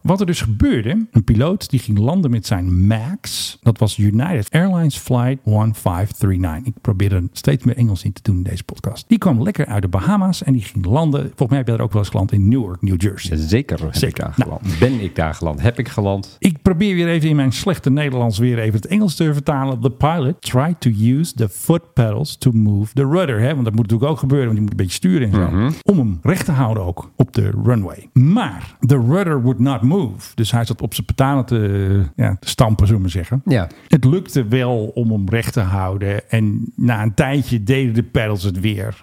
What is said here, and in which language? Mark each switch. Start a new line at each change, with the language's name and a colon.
Dutch: Wat er dus gebeurde, een piloot die ging landen met zijn Max, dat was United Airlines Flight 1539. Ik probeerde steeds meer Engels in te doen in deze podcast. Die kwam lekker uit de Bahama's en die ging landen. Volgens mij heb je er ook wel eens geland in Newark, New Jersey. Zeker heb ik daar geland. Nou, ben ik daar geland? Heb ik geland? Ik probeer weer even in mijn slechte Nederlands weer even het Engels te vertalen.
English: The pilot tried to use the foot pedals to move the rudder. Hè?
Dutch: Want dat moet natuurlijk ook gebeuren, want je moet een beetje sturen en zo. Mm-hmm. Om hem recht te houden ook op de runway. Maar
English: the rudder would not move.
Dutch: Dus hij zat op zijn pedalen te stampen, zullen we zeggen. Ja. Het lukte wel om hem recht te houden. En na een tijdje deden de pedals het weer.